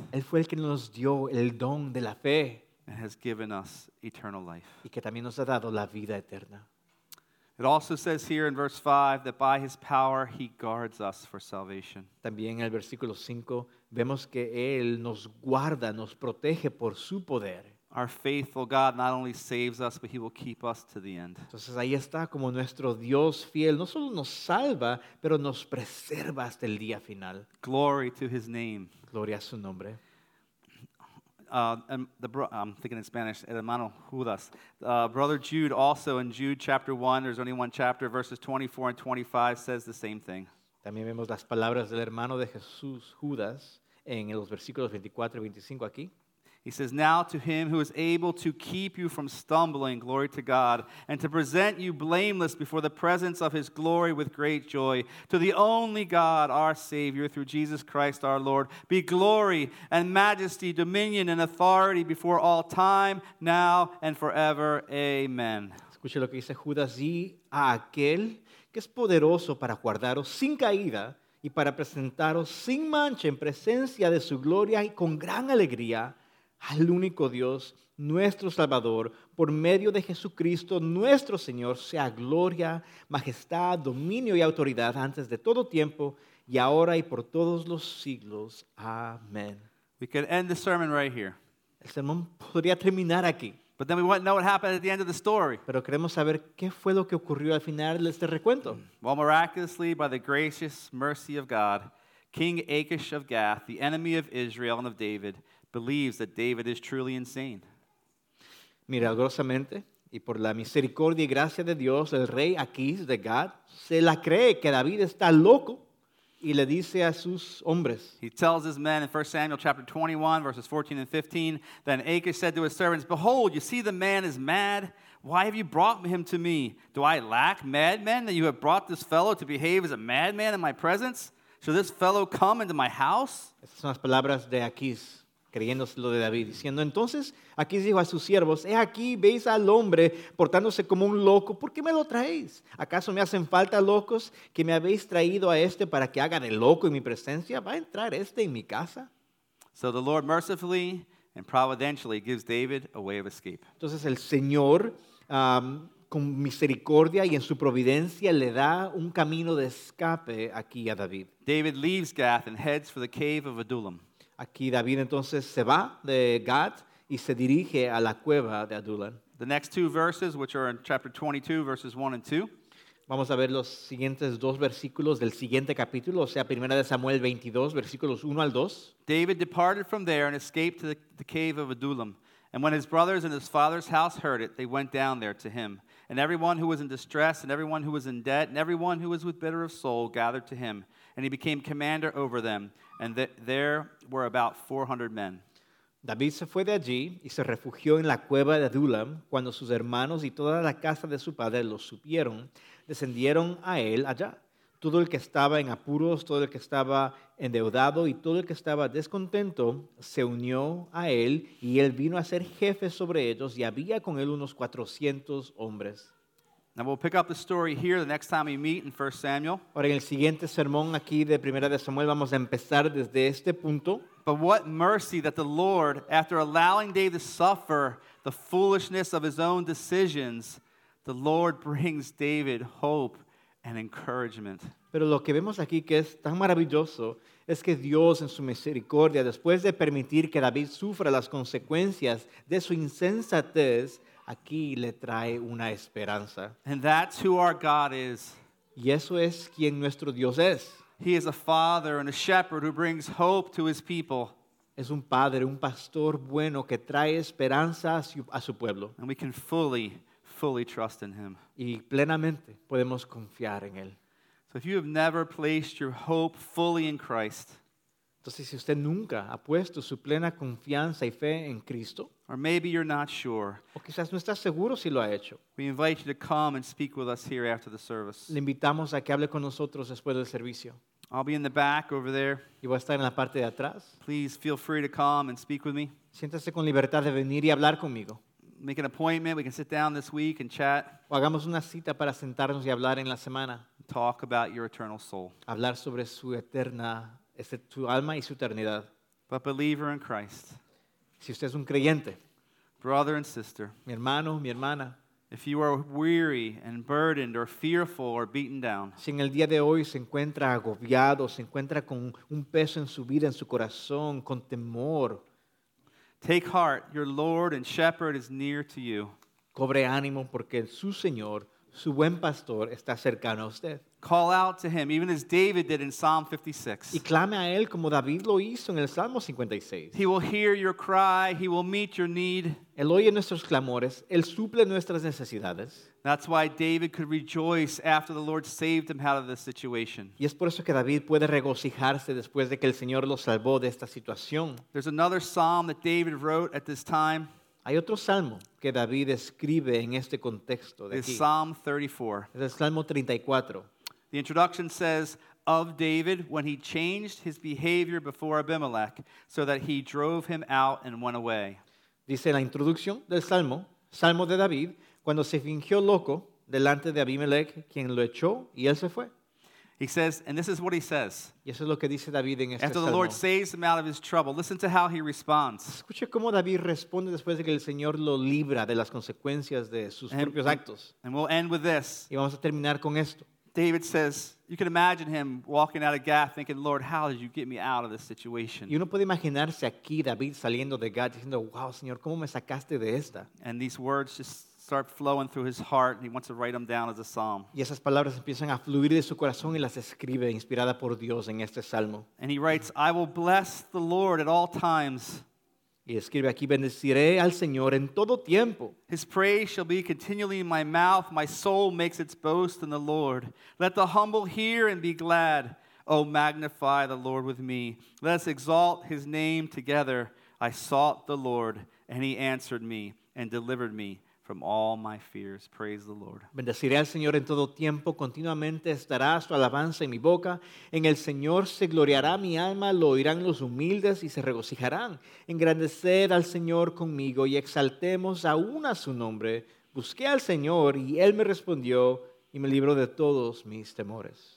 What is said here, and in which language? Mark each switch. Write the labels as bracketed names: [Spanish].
[Spanish] Él fue el que nos dio el don de la fe. [English] And has given us eternal life. [Spanish] Y que también nos ha dado la vida eterna. [English] It also says here in verse 5 that by his power he guards us for salvation. [Spanish] También en el versículo 5 vemos que él nos guarda, nos protege por su poder. [English] Our faithful God not only saves us, but he will keep us to the end. [Spanish] Entonces ahí está como nuestro Dios fiel, no solo nos salva, pero nos preserva hasta el día final. [English] Glory to his name. [Spanish] Gloria a su nombre. [English] I'm thinking in Spanish, [Spanish] el hermano Judas. [English] Brother Jude also in Jude chapter 1, there's only one chapter, verses 24 and 25 says the same thing. [Spanish] También vemos las palabras del hermano de Jesús, Judas, en los versículos 24 y 25 aquí. [English] He says, Now to him who is able to keep you from stumbling, glory to God, and to present you blameless before the presence of his glory with great joy, to the only God, our Savior, through Jesus Christ our Lord, be glory and majesty, dominion and authority before all time, now and forever. Amen. [Spanish] Escuche lo que dice Judas, y a aquel que es poderoso para guardaros sin caída y para presentaros sin mancha en presencia de su gloria y con gran alegría, al único Dios, nuestro Salvador, por medio de Jesucristo, nuestro Señor, sea gloria, majestad, dominio y autoridad antes de todo tiempo, y ahora y por todos los siglos. Amén. [English] We could end the sermon right here. [Spanish] El sermón podría terminar aquí. [English] But then we want to know what happened at the end of the story. [Spanish] Pero queremos saber qué fue lo que ocurrió al final de este recuento. [English] Well, miraculously, by the gracious mercy of God, King Achish of Gath, the enemy of Israel and of David, believes that David is truly insane. [Spanish] Milagrosamente, y por la misericordia y gracia de Dios, el rey Achish de Gath se la cree que David está loco. Y le dice a sus hombres. [English] He tells his men in 1 Samuel chapter 21, verses 14 and 15, then Achish said to his servants, behold, you see the man is mad. Why have you brought him to me? Do I lack madmen that you have brought this fellow to behave as a madman in my presence? Shall this fellow come into my house? [Spanish] Estas son las palabras de Achish, creyéndoselo de David, diciendo, entonces Achish dijo a sus siervos, he aquí, veis al hombre portándose como un loco, ¿por qué me lo traéis? ¿Acaso me hacen falta locos que me habéis traído a este para que haga de loco en mi presencia? ¿Va a entrar este en mi casa? [English] So the Lord mercifully and providentially gives David a way of escape. [Spanish] Entonces el Señor con misericordia y en su providencia le da un camino de escape aquí a David. [English] David leaves Gath and heads for the cave of Adullam. [Spanish] Aquí David entonces se va de Gath y se dirige a la cueva de Adullam. [English] The next two verses, which are in chapter 22, verses 1 and 2. [Spanish] Vamos a ver los siguientes dos versículos del siguiente capítulo, o sea, 1 Samuel 22, versículos 1 al 2. [English] David departed from there and escaped to the cave of Adullam. And when his brothers and his father's house heard it, they went down there to him. And everyone who was in distress, and everyone who was in debt, and everyone who was with bitter of soul gathered to him. And he became commander over them. And there were about 400 men. [Spanish] David se fue de allí y se refugió en la cueva de Adullam. Cuando sus hermanos y toda la casa de su padre lo supieron, descendieron a él allá. Todo el que estaba en apuros, todo el que estaba endeudado y todo el que estaba descontento se unió a él y él vino a ser jefe sobre ellos y había con él unos 400 hombres. [English] Now we'll pick up the story here the next time we meet in 1 Samuel. [Spanish] Ahora en el siguiente sermón aquí de Primera de Samuel vamos a empezar desde este punto. [English] But what mercy that the Lord, after allowing David to suffer the foolishness of his own decisions, the Lord brings David hope and encouragement. [Spanish] Pero lo que vemos aquí que es tan maravilloso es que Dios en su misericordia, después de permitir que David sufra las consecuencias de su insensatez, aquí le trae una esperanza. [English] And that's who our God is. [Spanish] Y eso es quien nuestro Dios es. [English] He is a father and a shepherd who brings hope to his people. [Spanish] Es un padre, un pastor bueno que trae esperanza a su pueblo. [English] And we can fully trust in him. [Spanish] Y plenamente podemos confiar en él. [English] So if you have never placed your hope fully in Christ, [Spanish] entonces si usted nunca ha puesto su plena confianza y fe en Cristo, [English] or maybe you're not sure, [Spanish] o quizás no está seguro si lo ha hecho, [English] we invite you to come and speak with us here after the service. [Spanish] Le invitamos a que hable con nosotros después del servicio. [English] I'll be in the back over there. [Spanish] Y voy a estar en la parte de atrás. [English] Please feel free to come and speak with me. [Spanish] Siéntase con libertad de venir y hablar conmigo. [English] Make an appointment. We can sit down this week and chat. [Spanish] O hagamos una cita para sentarnos y hablar en la semana. [English] Talk about your eternal soul. [Spanish] Hablar sobre su eterna, tu alma y su eternidad. [English] But believer in Christ. [Spanish] Si usted es un creyente. [English] Brother and sister. [Spanish] Mi hermano, mi hermana. [English] If you are weary and burdened or fearful or beaten down. [Spanish] Si en el día de hoy se encuentra agobiado, se encuentra con un peso en su vida, en su corazón, con temor. [English] Take heart, your Lord and Shepherd is near to you. [Spanish] Cobre ánimo porque su Señor, su buen pastor, está cercano a usted. [English] Call out to him, even as David did in Psalm 56. [Spanish] Y clame a él como David lo hizo en el Salmo 56. [English] He will hear your cry, he will meet your need. [Spanish] Él oye nuestros clamores, él suple nuestras necesidades. [English] That's why David could rejoice after the Lord saved him out of this situation. [Spanish] Y es por eso que David puede regocijarse después de que el Señor lo salvó de esta situación. [English] There's another psalm that David wrote at this time. [Spanish] Hay otro salmo que David escribe en este contexto de aquí. [English] It's Psalm 34. [Spanish] Es el Salmo 34. [English] The introduction says, of David when he changed his behavior before Abimelech so that he drove him out and went away. [Spanish] Dice la introducción del Salmo, Salmo de David, cuando se fingió loco delante de Abimelech, quien lo echó y él se fue. [English] He says, and this is what he says. [Spanish] Y eso es lo que dice David en este salmo. [English] After the Lord saves him out of his trouble, listen to how he responds. [Spanish] Escuche cómo David responde después de que el Señor lo libra de las consecuencias de sus propios actos. [English] And we'll end with this. [Spanish] Y vamos a terminar con esto. [English] David says, you can imagine him walking out of Gath thinking, Lord, how did you get me out of this situation? [Spanish] Y uno puede imaginarse aquí David saliendo de Gath diciendo, wow, Señor, ¿cómo me sacaste de esta? [English] And these words just start flowing through his heart and he wants to write them down as a psalm. [Spanish] Y esas palabras empiezan a fluir de su corazón y las escribe inspirada por Dios en este salmo. [English] And he writes, I will bless the Lord at all times. [Spanish] Y escribe aquí, bendeciré al Señor en todo tiempo. [English] His praise shall be continually in my mouth. My soul makes its boast in the Lord. Let the humble hear and be glad. Oh, magnify the Lord with me. Let us exalt his name together. I sought the Lord, and he answered me and delivered me from all my fears. Praise the Lord. [Spanish] Bendeciré al Señor en todo tiempo. Continuamente estará su alabanza en mi boca. En el Señor se gloriará mi alma. Lo oirán los humildes y se regocijarán. Engrandeced al Señor conmigo y exaltemos aún a su nombre. Busqué al Señor y Él me respondió y me libró de todos mis temores.